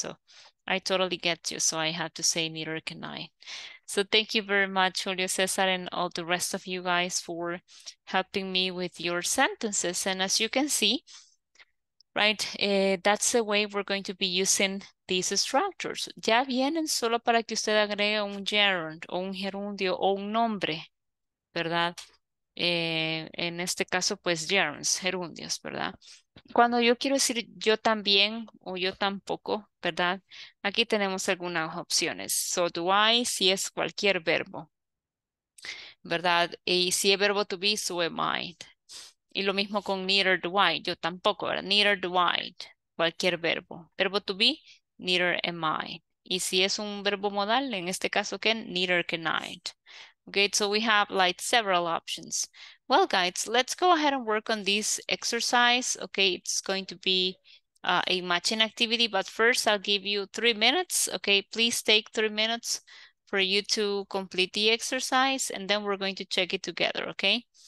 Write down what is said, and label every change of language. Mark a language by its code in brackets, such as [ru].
[en] So I totally get you. So I have to say neither can I. So thank you very much, Julio Cesar, and all the rest of you guys for helping me with your sentences. And as you can see, right, that's the way we're going to be using these structures. [es] Ya vienen solo para que usted agregue un gerund o un gerundio o un nombre, ¿verdad? En este caso, pues gerunds, gerundios, ¿verdad? Cuando yo quiero decir yo también o yo tampoco, ¿verdad? Aquí tenemos algunas opciones. [en] So do I, [es] si es cualquier verbo, ¿verdad? Y si es verbo to be, [en] so am I. [es] Y lo mismo con [en] neither do I, [es] yo tampoco, ¿verdad? [en] Neither do I, [es] cualquier verbo. Verbo [en] to be, neither am I. [es] Y si es un verbo modal, en este caso, ¿qué? [en] Neither can I. Okay, so we have like several options. Well, guys, let's go ahead and work on this exercise. Okay, it's going to be a matching activity, but first I'll give you 3 minutes. Okay, please take 3 minutes for you to complete the exercise, and then we're going to check it together, okay?